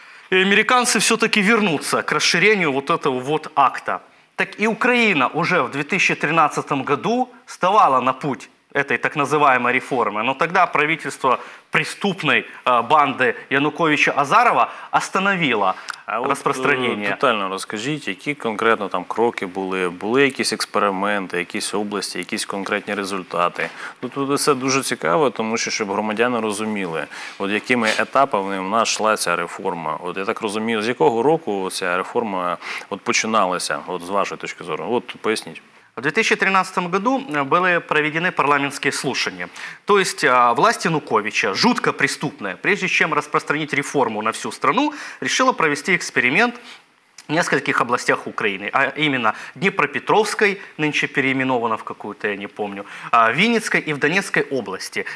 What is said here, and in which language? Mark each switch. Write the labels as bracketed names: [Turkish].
[Russian] И американцы все-таки вернутся к расширению вот этого вот акта. Так и Украина уже в 2013 году вставала на путь этой так называемой реформы. Но тогда правительство преступной банды Януковича-Азарова остановило распространение. [Ukrainian] Детально розкажіть, які конкретно там кроки були, були якісь експерименти, якісь області, якісь конкретні результати. Тут це дуже цікаво, тому що, щоб громадяни розуміли, от якими етапами в нас йшла ця реформа. От я так розумію, з якого року ця реформа от починалася, от з вашої точки зору. От поясніть. [Russian] В 2013 году были проведены парламентские слушания. То есть власть Януковича, жутко преступная, прежде чем распространить реформу на всю страну, решила провести эксперимент в нескольких областях Украины. А именно Днепропетровской, нынче переименована в какую-то, я не помню, Винницкой и в Донецкой области.